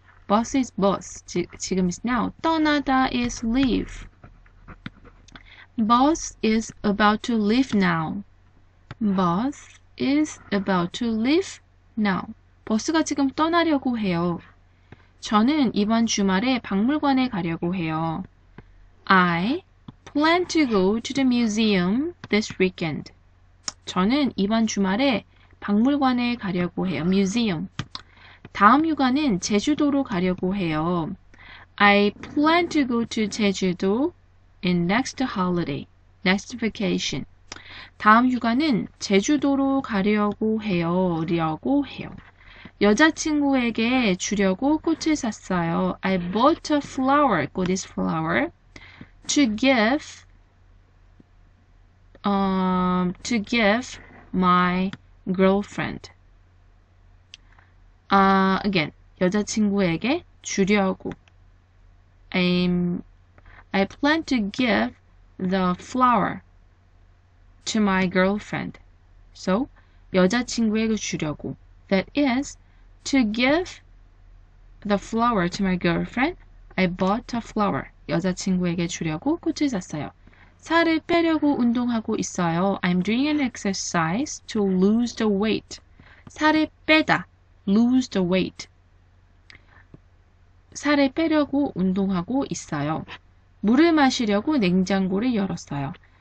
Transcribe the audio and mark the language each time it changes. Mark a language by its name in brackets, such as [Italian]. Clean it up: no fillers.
[English] Bus is bus. [Korean] 지금 [English] is now. [Korean] 떠나다 [English] is leave. Bus is about to leave now. Bus is about to leave now. [Korean] 버스가 지금 떠나려고 해요. 저는 이번 주말에 박물관에 가려고 해요. [English] I plan to go to the museum this weekend. [Korean] 저는 이번 주말에 박물관에 가려고 해요. [English] Museum. [Korean] 다음 휴가는 제주도로 가려고 해요. [English] I plan to go to 제주도 in next holiday. Next vacation. [Korean] 다음 휴가는 제주도로 가려고 해요. 라고 해요. 여자친구에게 주려고 꽃을 샀어요. [English] I bought a flower. [Korean] 꽃 [English] is flower. To give my girlfriend. Again, [Korean] 여자친구에게 주려고. [English] I plan to give the flower to my girlfriend. So, [Korean] 여자친구에게 주려고. [English] That is, to give the flower to my girlfriend. I bought a flower. [Korean] 여자친구에게 주려고 꽃을 샀어요. 살을 빼려고 운동하고 있어요. [English] I'm doing an exercise to lose the weight. [Korean] 살을 빼다. [English] Lose the weight. [Korean] 살을 빼려고 운동하고 있어요. 물을 마시려고 냉장고를 열었어요.